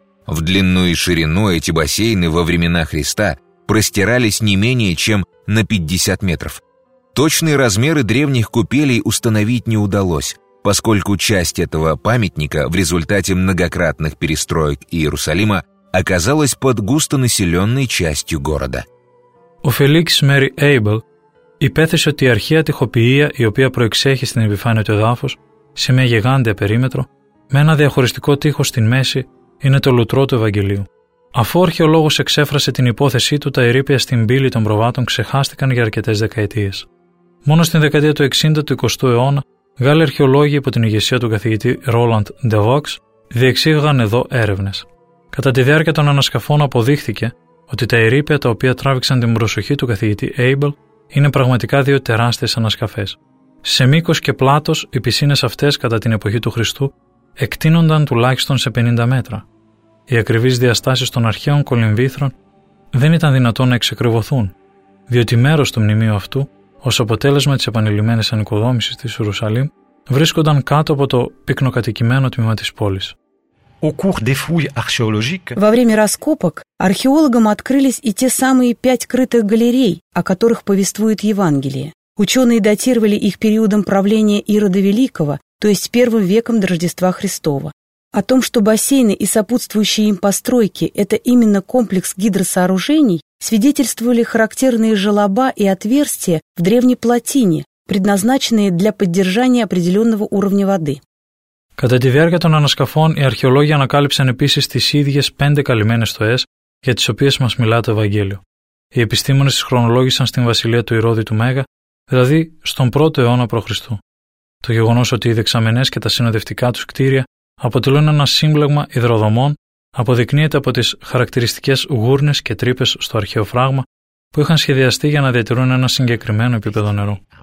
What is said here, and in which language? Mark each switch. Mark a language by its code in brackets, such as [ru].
[ru] В длину и ширину эти бассейны во времена Христа простирались не менее чем на 50 метров. Точные размеры древних купелей установить не удалось, поскольку часть этого памятника в результате многократных перестроек Иерусалима оказалась под густонаселенной частью города. [el] У Феликс Мэри Эйбл υπέθεσε ότι η αρχαία τυχοποιία η οποία προεξέχει στην επιφάνεια του εδάφους σε μια γιγάντια περίμετρο με ένα διαχωριστικό τείχος στην μέση είναι το λουτρό του Ευαγγελίου. Αφού ο αρχαιολόγος εξέφρασε την υπόθεσή του, τα ερείπια στην πύλη των προβάτων ξεχάστηκαν για αρκετές δεκαετίες. Μόνο στην δεκαετία του 60 του 20ου αιώνα, Γάλλοι αρχαιολόγοι υπό την ηγεσία του καθηγητή Ρόλαντ Ντεβόξ διεξήγαγαν εδώ έρευνες. Κατά τη διάρκεια των ανασκαφών αποδείχθηκε ότι τα ερείπια τα οποία τράβηξαν την προσοχή του καθηγητή Έιμπελ είναι πραγματικά δύο τεράστιες ανασκαφές. Σε μήκος και πλάτος, οι πισίνες αυτές κατά την εποχή του Χριστού εκτείνονταν τουλάχιστον σε 50 μέτρα. Οι ακριβείς διαστάσεις των αρχαίων κολυμβήθρων δεν ήταν δυνατόν να εξακριβωθούν, διότι μέρος του μνημείου αυτού, ως αποτέλεσμα της επανειλημμένης ανοικοδόμησης της Ιερουσαλήμ, βρίσκονταν κάτω από το πυκνοκατοικημένο τμήμα της πόλης. [ru] Во время раскопок археологам открылись и те самые пять крытых галерей, о которых повествует Евангелие. Ученые датировали их периодом правления Ирода Великого, то есть первым веком до Рождества Христова. О том, что бассейны и сопутствующие им постройки – это именно комплекс гидросооружений, свидетельствовали характерные желоба и отверстия в древней плотине, предназначенные для поддержания определенного уровня воды. [el] Κατά τη διάρκεια των ανασκαφών, οι αρχαιολόγοι ανακάλυψαν επίσης τις ίδιες πέντε καλυμμένες στοές για τις οποίες μας μιλά το Ευαγγέλιο. Οι επιστήμονες τις χρονολόγησαν στην βασιλεία του Ηρώδη του Μέγα, δηλαδή στον 1ο αιώνα π.Χ. Το γεγονός ότι οι δεξαμενές και τα συνοδευτικά τους κτίρια αποτελούν ένα σύμπλεγμα υδροδομών αποδεικνύεται από τις χαρακτηριστικές γούρνες και τρύπες στο αρχαίο φράγμα που είχαν σχεδιαστεί για να διατηρούν ένα συγκεκριμένο επίπεδο νερού.